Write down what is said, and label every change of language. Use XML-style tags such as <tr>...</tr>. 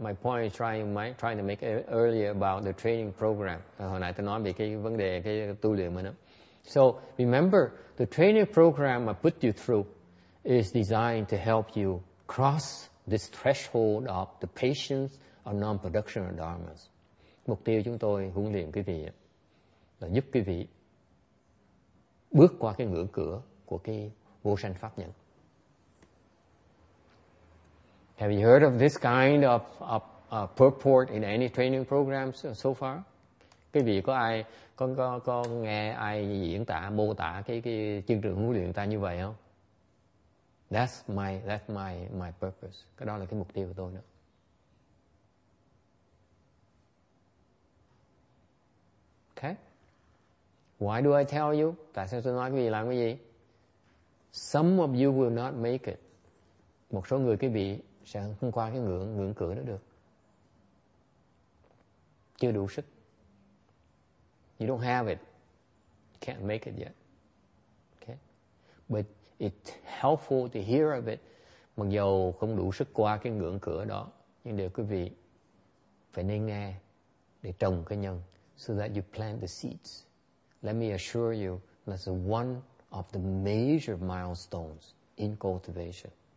<en>My point is trying to make it earlier about the training program.</en> <vi>Hồi nãy tôi nói về cái vấn đề cái tu luyện mình đó.</vi> <en>So remember, the training program I put you through is designed to help you cross this threshold of the patience of non-production of dharmas.</en> <vi>Mục tiêu chúng tôi huấn luyện quý vị là giúp quý vị bước qua cái ngưỡng cửa của cái vô sanh pháp nhẫn.</vi> <en>Have you heard of this kind of purport in any training programs so far?</en> <vi>Quý vị có ai có nghe ai diễn tả mô tả cái chương trình huấn luyện ta như vậy không?</vi> <en>That's my purpose.</en> <vi>Cái đó là cái mục tiêu của tôi đó.</vi> <en>Okay. Why do I tell you?</en> <vi>Tại sao tôi nói quý vị làm cái gì?</vi> <en>Some of you will not make it.</en> <vi>Một số người quý vị sẽ không qua cái ngưỡng cửa đó được. Chưa đủ sức.</vi> <en>You don't have it. Can't make it yet. Okay. But it's helpful to hear of it.</en> <vi>Mặc dù không đủ sức qua cái ngưỡng cửa đó, nhưng điều quý vị phải nên nghe để trồng cái nhân.</vi> <en>So that you plant the seeds. Let me assure you, that's one of the major milestones in cultivation.</en>